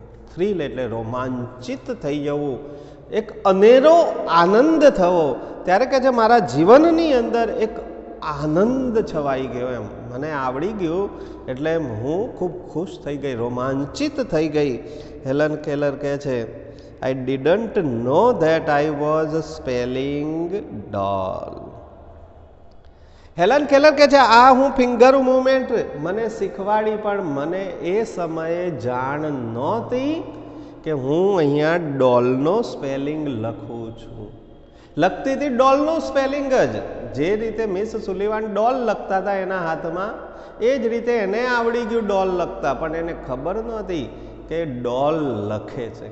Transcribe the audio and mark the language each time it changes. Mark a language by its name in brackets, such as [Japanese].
[Gujarati] Thrill એટલે રોમાંચિત થઈ જવું, એક અનેરો આનંદ થવો, ત્યારે કહે છે મારા જીવનની અંદર એક આનંદ છવાઈ ગયો, એમ મને આવડી ગયું એટલે હું ખૂબ ખુશ થઈ ગઈ, રોમાંચિત થઈ ગઈ. હેલન કેલર કહે છે [English] I didn't know that I was spelling doll. [Gujarati] Helen Keller કહે છે આ હું ફિંગર મૂવમેન્ટ મને શીખવાડી, પણ મને એ સમયે જાણ નહોતી કે હું અહીંયા ડોલનો સ્પેલિંગ લખું છું. લખતી હતી ડોલનો સ્પેલિંગ જ, જે રીતે મિસ સુલીવાન ડોલ લખતા હતા એના હાથમાં એ જ રીતે એને આવડી ગયું ડોલ લખતા, પણ એને ખબર નહોતી કે ડોલ લખે છે.